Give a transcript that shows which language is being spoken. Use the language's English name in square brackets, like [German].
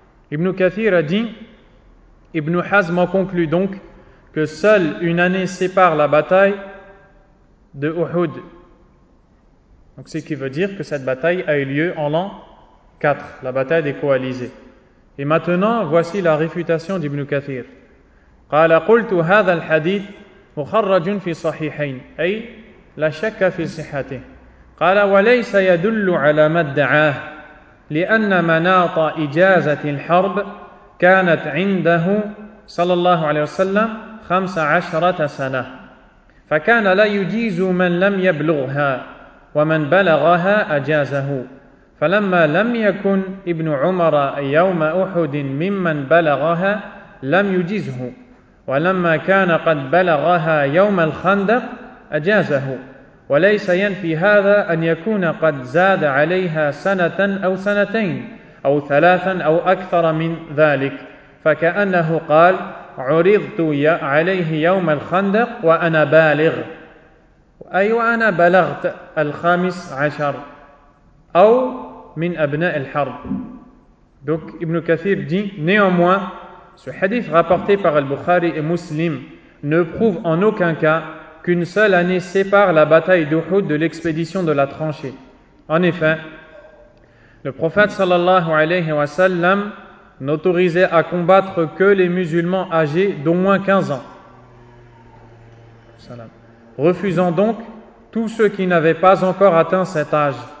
[French] Ibn Kathir a dit, Ibn Hazm en conclut donc que seule une année sépare la bataille de Uhud. Donc ce qui veut dire que cette bataille a eu lieu en l'an 4, la bataille des coalisés. Et maintenant, voici la réfutation d'Ibn Kathir. [Arabic] قال قلت هذا الحديث مخرج في صحيحين أي لا شك في صحته. قال وليس يدل على ما ادعاه لأن مناط إجازة الحرب كانت عنده صلى الله عليه وسلم 15 سنة. فكان لا يجيز من لم يبلغها ومن بلغها أجازه. فلما لم يكن ابن عمر يوم أحد ممن بلغها لم يجزه ولما كان قد بلغها يوم الخندق أجازه وليس ينفي هذا أن يكون قد زاد عليها سنة أو سنتين أو ثلاثا أو أكثر من ذلك فكأنه قال عرضت عليه يوم الخندق وأنا بالغ أي وأنا بلغت الخامس عشر أو من أبناء الحرب. [French] Donc Ibn Kathir dit, néanmoins, ce hadith rapporté par Al-Bukhari et Muslim ne prouve en aucun cas qu'une seule année sépare la bataille d'Uhud de l'expédition de la tranchée. En effet, le prophète sallallahu alayhi wa sallam n'autorisait à combattre que les musulmans âgés d'au moins 15 ans, refusant donc tous ceux qui n'avaient pas encore atteint cet âge.